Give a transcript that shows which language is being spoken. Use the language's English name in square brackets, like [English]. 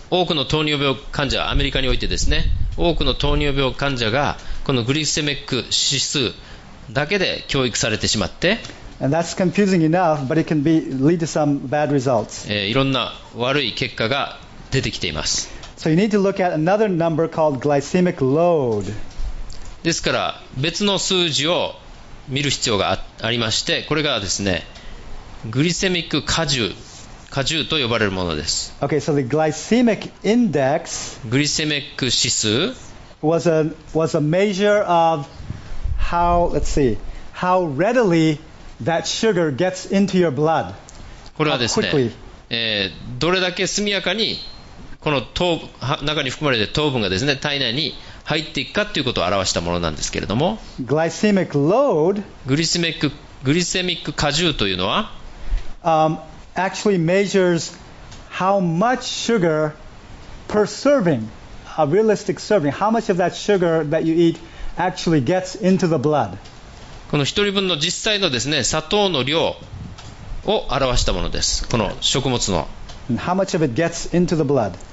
[Japanese] 多くの糖尿病患者、アメリカにおいてですね、多くの糖尿病患者がこのグリセミック指数だけで教育されてしまって、 [English] And that's confusing enough, but it can be lead to some bad results. [Japanese] いろんな悪い結果が出てきています。 [English] So you need to look at another number called glycemic load. [Japanese] ですから別の数字を見る必要がありまして、これがですね、グリセミック荷重、荷重と呼ばれるものです。 [English] Okay, so the glycemic index [Japanese] グリセミック指数 [English] was a measure of how readily that sugar gets into your blood. [Japanese] これはですね、どれだけ速やかにこの糖中に含まれている糖分がですね、体内に入っていくかということを表したものなんですけれども、 [English] glycemic load [Japanese] グリセミック荷重というのは、 [English] actually measures how much sugar per serving, a realistic serving, how much of that sugar that you eat actually gets into the blood. [Japanese] この一人分の実際のですね、砂糖の量を表したものです。この食物の。 [English] How much of it gets into the blood?